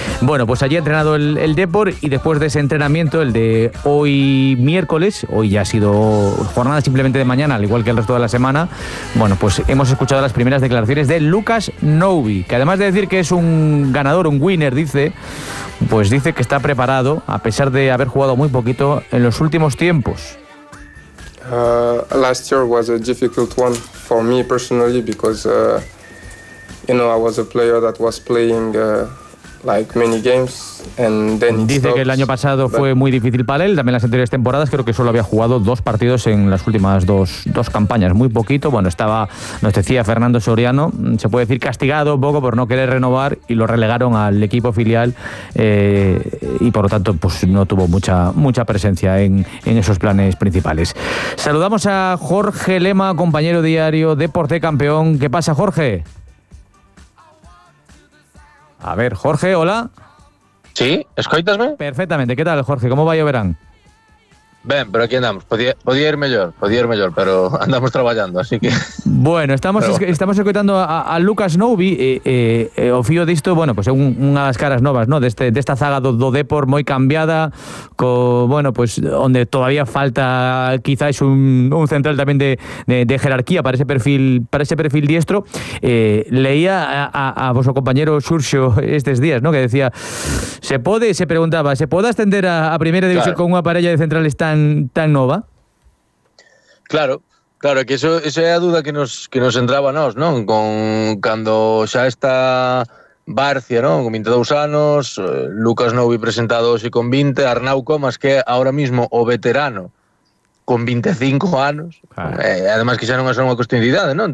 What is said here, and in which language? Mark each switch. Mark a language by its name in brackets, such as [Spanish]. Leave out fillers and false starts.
[Spanish] Bueno, pues allí ha entrenado el Depor, y después de ese entrenamiento, el de hoy miércoles, hoy ya ha sido jornada simplemente de mañana, al igual que el resto de la semana, bueno, pues hemos escuchado las primeras declaraciones de Lucas Nouby, que además de decir que es un ganador, un winner, dice, pues dice que está preparado, a pesar de haber jugado muy poquito en los últimos tiempos. [English] Last year was a difficult one for me personally because you know, I was a player that was playing like many games and then [Spanish] dice [English] stops, [Spanish] que el año pasado fue muy difícil para él, también las anteriores temporadas creo que solo había jugado dos partidos en las últimas dos campañas, muy poquito. Bueno, estaba, nos decía Fernando Soriano, se puede decir castigado un poco por no querer renovar y lo relegaron al equipo filial y por lo tanto pues no tuvo mucha presencia en esos planes principales. Saludamos a Jorge Lema, compañero diario Deporte Campeón. ¿Qué pasa, Jorge? A ver, Jorge, hola. [Galician] Sí, ¿escoitasme? [Spanish] Perfectamente, ¿qué tal, Jorge? ¿Cómo va Lloverán? [Galician] Ben, pero aquí andamos. [Spanish] Podía ir mejor, pero andamos trabajando, así que... [Galician] Bueno, estamos escoitando a Lucas Nouby, o fío de isto, bueno, pues unha das caras novas, ¿no? De esta zaga do Depor moi cambiada, pues onde todavía falta quizás un central tamén de jerarquía para ese perfil diestro. Leía a vosso compañero Xurxo estes días, ¿no? Que decía, se pode ascender a primeira división, claro, con unha parella de centrales tan nova? Claro, que eso é a duda que nos entraba a nós, non? Cando xa está Barcia, non? Con 22 anos, Lucas Nouby presentado hoxe con 20, Arnau Comas, que é [Spanish] ahora mismo [Galician] o veterano, con 25 anos, además que xa non é só unha cuestión de idade, non?